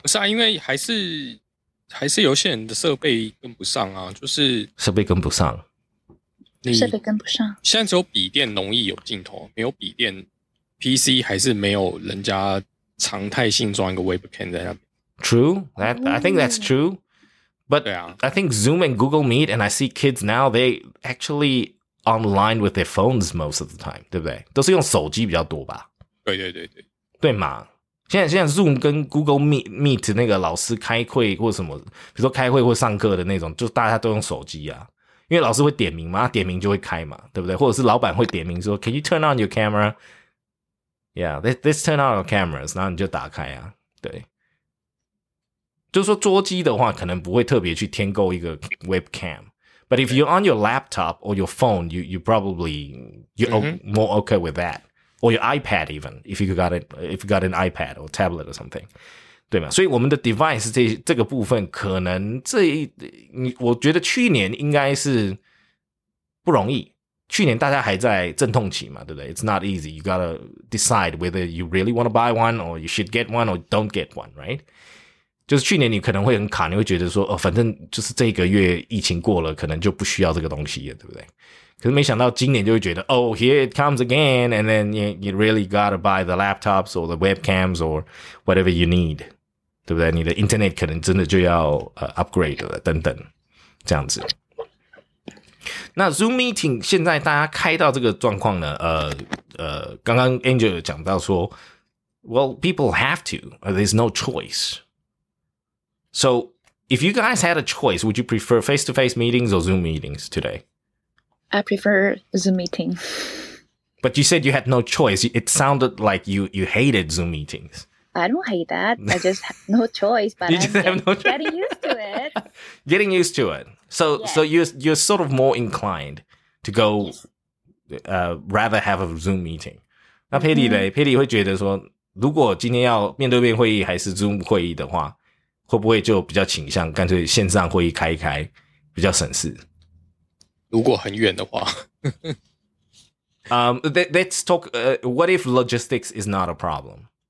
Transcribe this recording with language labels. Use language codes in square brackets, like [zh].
[zh] 不是啊，因为还是有些人的设备跟不上啊， 就是设备跟不上，现在只有笔电容易有镜头， 没有笔电， PC 还是没有人家常态性装一个 webcam 在那边。 [en] True, I think that's true. But I think Zoom and Google Meet, and I see kids now, they actually online with their phones most of the time, [zh] 对不对？都是用手机比较多吧？对对对对，对嘛？现在Zoom跟Google Meet 那个老师开会或什么， 比如说开会或上课的那种， 就大家都用手机啊。因为老师会点名嘛， 点名就会开嘛， 对不对？或者是老板会点名说， [en] Can you turn on your camera? [zh] Yeah, let's turn on your cameras. 然后你就打开啊， 对。就是说桌机的话， 可能不会特别去添购一个 webcam。 [en] But if you're on your laptop or your phone, you're probably more okay with that. Or your iPad even, if you got an iPad or tablet or something. [zh] 对吧？所以我们的 device 这个部分可能这一我觉得去年应该是不容易，去年大家还在阵痛期嘛，对不对？ [en] It's not easy. You gotta decide whether you really want to buy one or you should get one or don't get one, right? [zh] 就是去年你可能会很卡，你会觉得说哦，反正就是这个月疫情过了，可能就不需要这个东西了，对不对？可是没想到今年就会觉得 [en] Oh, here it comes again, and then you really gotta buy the laptops or the webcams or whatever you need, [zh] 对不对？你的 internet 可能真的就要upgrade 了等等，这样子。那 Zoom meeting 现在大家开到这个状况呢，刚刚 Angel 有讲到说 [en] Well, people have to, there's no choice. So, if you guys had a choice, would you prefer face-to-face meetings or Zoom meetings today? I prefer Zoom meeting. But you said you had no choice. It sounded like you hated Zoom meetings. I don't hate that. I just have no choice. But you just have no choice. Getting used to it. Getting used to it. So, yes. So you're sort of more inclined to go, rather have a Zoom meeting. [zh] 那 Patty 呢？ Patty 会觉得说，如果今天要面对面会议还是 Zoom 会议的话，会不会就比较倾向干脆线上会议开一开，比较省事？如果很远的话 [en] let's talk what if logistics is not a problem?